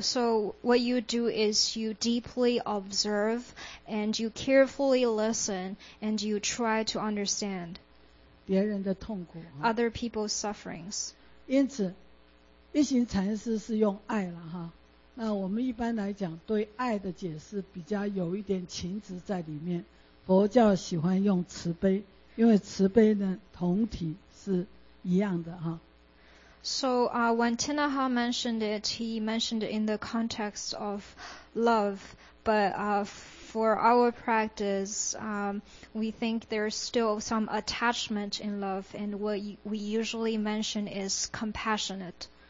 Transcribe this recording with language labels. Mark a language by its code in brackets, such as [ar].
[en] So what you do is you deeply observe and you carefully listen and you try to understand [zh] 别人的痛苦, [en] other people's sufferings. [zh] 因此,一行禅师是用爱了, 那我们一般来讲对爱的解释比较有一点情执在里面, 佛教喜欢用慈悲。因为慈悲呢，同体是一样的哈。So [en] when Tinaha mentioned it, he mentioned it in the context of love. But for our practice, we think there's still some attachment in love, and what we usually mention is compassionate.